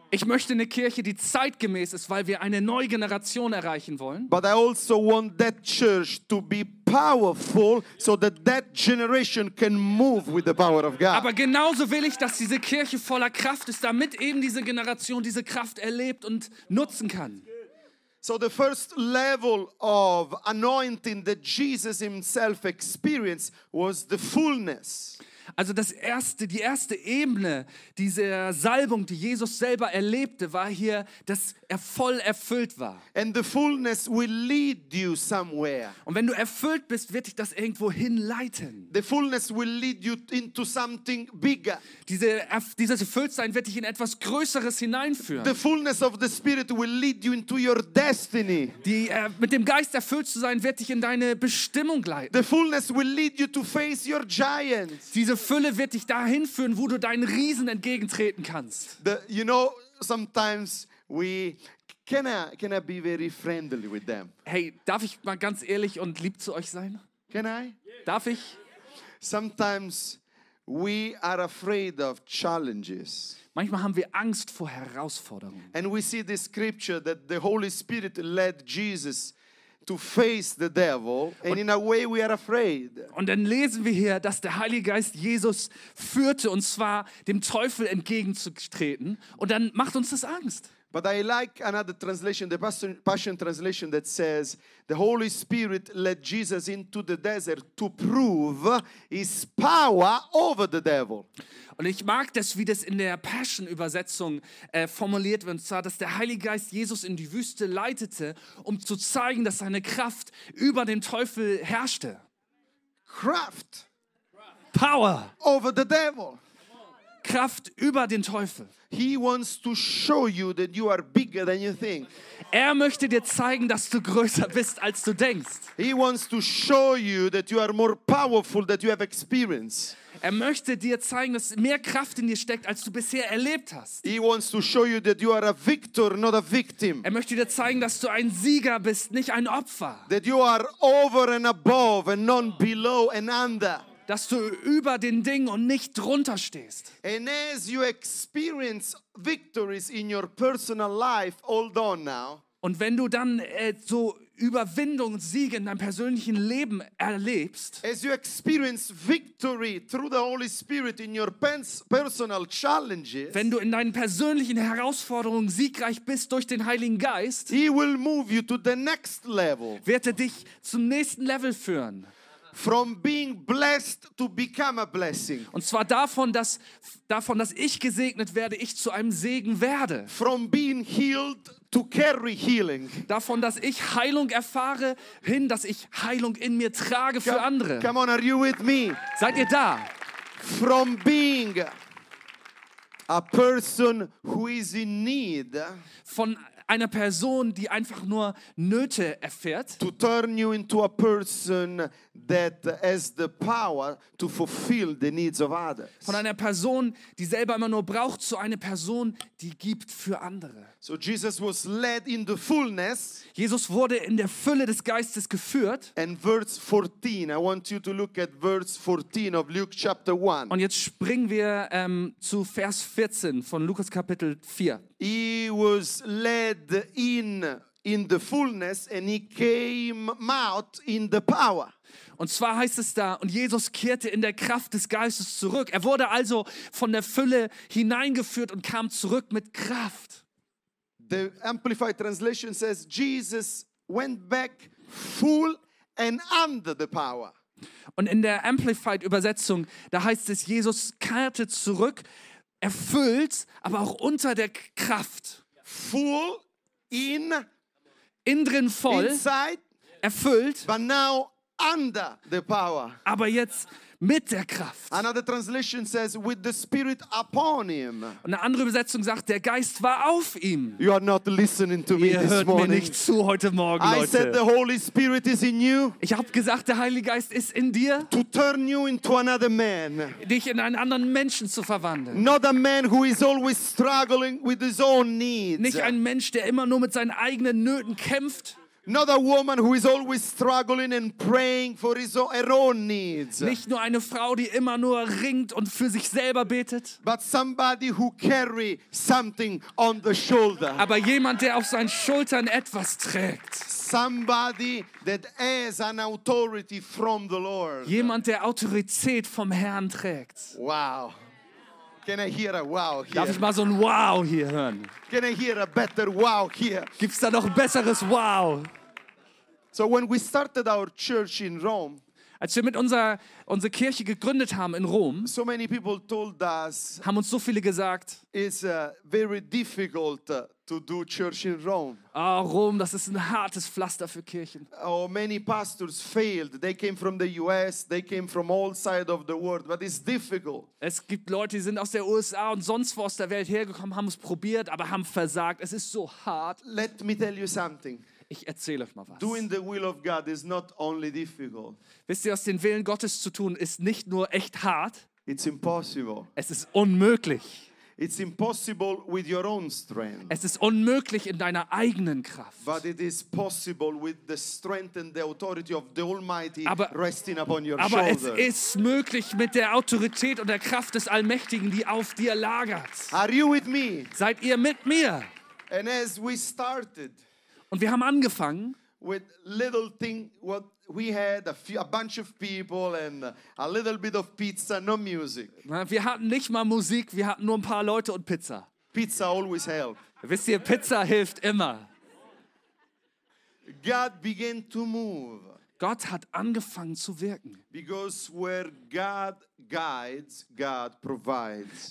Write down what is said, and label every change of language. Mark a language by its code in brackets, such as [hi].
[de] Ich möchte eine Kirche, die zeitgemäß ist, weil wir eine neue Generation erreichen wollen. [en] But I also want that church to be powerful so that that generation can move with the power of God. [de] Aber genauso will ich, dass diese Kirche voller Kraft ist, damit eben diese Generation diese Kraft erlebt und nutzen kann. [en] So the first level of anointing that Jesus himself experienced was the fullness. [de] Also das erste, die erste Ebene dieser Salbung, die Jesus selber erlebte, war hier, dass er voll erfüllt war. [en] And the fullness will lead you somewhere. [de] Und wenn du erfüllt bist, wird dich das irgendwo hinleiten. [en] The fullness will lead you into something bigger. [de] Dieses Erfülltsein wird dich in etwas Größeres hineinführen. [en] The fullness of the Spirit will lead you into your destiny. [de] Mit dem Geist erfüllt zu sein, wird dich in deine Bestimmung leiten. [en] The fullness will lead you to face your giants. [de] Diese Fülle wird dich dahin führen, wo du deinen Riesen entgegentreten kannst. [en] You know, sometimes we Can I be very friendly with them? [de] Hey, darf ich mal ganz ehrlich und lieb zu euch sein? [en] Can I? [de] Darf ich? [en] Sometimes we are afraid of challenges. [de] Manchmal haben wir Angst vor Herausforderungen. [en] And we see this scripture that the Holy Spirit led Jesus to face the devil, and in a way we are afraid. [de] Und dann lesen wir hier, dass der Heilige Geist Jesus führte, und zwar dem Teufel entgegenzutreten, und dann macht uns das Angst. [en] But I like another translation, the Passion Translation, that says, the Holy Spirit led Jesus into the desert to prove his power over the devil. [de] Und ich mag das, wie das in der Passion-Übersetzung formuliert wird, und zwar, dass der Heilige Geist Jesus in die Wüste leitete, um zu zeigen, dass seine Kraft über den Teufel herrschte. Kraft. [en] Power. Over the devil. [de] Kraft über den Teufel. [en] He wants to show you that you are bigger than you think. [de] Er möchte dir zeigen, dass du größer bist, als du denkst. [en] He wants to show you that you are more powerful than you have experienced. [de] Er möchte dir zeigen, dass mehr Kraft in dir steckt, als du bisher erlebt hast. [en] He wants to show you that you are a victor, not a victim. [de] Er möchte dir zeigen, dass du ein Sieger bist, nicht ein Opfer. [en] That you are over and above and not below and under. [de] Dass du über den Dingen und nicht drunter stehst. [en] And as you experience victories in your personal life, hold on now. [de] Und wenn du dann so Überwindung, Siege in deinem persönlichen Leben erlebst, [en] as you experience victory through the Holy Spirit in your personal challenges, [de] wenn du in deinen persönlichen Herausforderungen siegreich bist durch den Heiligen Geist, [en] he will move you to the next level. [de] Wird er dich zum nächsten Level führen. [en] From being blessed to become a blessing. [de] Und zwar davon, dass ich gesegnet werde, ich zu einem Segen werde. [en] From being healed to carry healing. [de] Davon, dass ich Heilung erfahre, hin, dass ich Heilung in mir trage für andere. [en] Come on, are you with me? [de] Seid ihr da? [en] From being a person who is in need. [de] Von einer Person, die einfach nur Nöte erfährt, [en] to turn you into a person that has the power to fulfill the needs of others. [de] Von einer Person, die selber immer nur braucht, zu einer Person, die gibt für andere. [en] So Jesus was led in the fullness. [de] Jesus wurde in der Fülle des Geistes geführt. [en] And verse 14, I want you to look at verse 14 of Luke chapter 1. [de] Und jetzt springen wir zu Vers 14 von Lukas Kapitel 4. [en] He was led in the fullness and he came out in the power. [de] Und zwar heißt es da, und Jesus kehrte in der Kraft des Geistes zurück. Er wurde also von der Fülle hineingeführt und kam zurück mit Kraft. [en] The Amplified Translation says, Jesus went back full and under the power. [de] Und in der Amplified Übersetzung, da heißt es, Jesus kehrte zurück, erfüllt, aber auch unter der Kraft. [en] Full in. [de] Innen drin voll. [en] Inside. [de] Erfüllt. [en] But now under the power. [de] Aber jetzt mit der Kraft. [en] Another translation says, with the Spirit upon him. [de] Und eine andere Übersetzung sagt, der Geist war auf ihm. [en] You are not listening to me this morning. [de] Ihr hört mir nicht zu heute Morgen, Leute. [en] I said the Holy Spirit is in you. [de] Ich habe gesagt, der Heilige Geist ist in dir. [en] To turn you into another man. [de] Dich in einen anderen Menschen zu verwandeln. [en] Not a man who is always struggling with his own needs. [de] Nicht ein Mensch, der immer nur mit seinen eigenen Nöten kämpft. [en] Not a woman who is always struggling and praying for her own needs. [de] Nicht nur eine Frau, die immer nur ringt und für sich selber betet. [en] But somebody who carry something on the shoulder. [de] Aber jemand, der auf seinen Schultern etwas trägt. [en] Somebody that has an authority from the Lord. [de] Jemand, der Autorität vom Herrn trägt. [en] Wow. Can I hear a wow here? [de] Darf ich mal so ein Wow hier hören? [en] Can I hear a better wow here? [de] Gibt's da noch besseres Wow? [en] So when we started our church in Rome, [de] als wir mit unsere Kirche gegründet haben in Rom, [en] so many people told us, [de] haben uns so viele gesagt, [en] it's very difficult to do church in Rome. [de] Ah, Rom, das ist ein hartes Pflaster für Kirchen. [en] Oh, many pastors failed. They came from the US, they came from all sides of the world, but it's difficult. [de] Es gibt Leute, die sind aus der USA und sonst wo aus der Welt hergekommen, haben es probiert, aber haben versagt. Es ist so hart. [en] Let me tell you something. [de] Ich erzähle euch mal was. [en] Doing the will of God is not only difficult. [de] Wisst ihr, was den Willen Gottes zu tun ist, nicht nur echt hart. [en] It's impossible. [de] Es ist unmöglich. [en] It's impossible with your own strength. [de] Es ist unmöglich in deiner eigenen Kraft. [en] But it is possible with the strength and the authority of the Almighty resting upon your [de] aber [en] shoulder. [de] Aber es ist möglich mit der Autorität und der Kraft des Allmächtigen, die auf dir lagert. [en] Are you with me? [de] Seid ihr mit mir? [en] And as we started, [de] und wir haben angefangen [en] with little thing what we had, a bunch of people and a little bit of pizza, no music. [de] Wir hatten nicht mal Musik, wir hatten nur ein paar Leute und Pizza. [en] Pizza always helps. [de] Wisst ihr, Pizza hilft immer. [en] God began to move. [de] Gott hat angefangen zu wirken. [en] Because where God guides, God provides.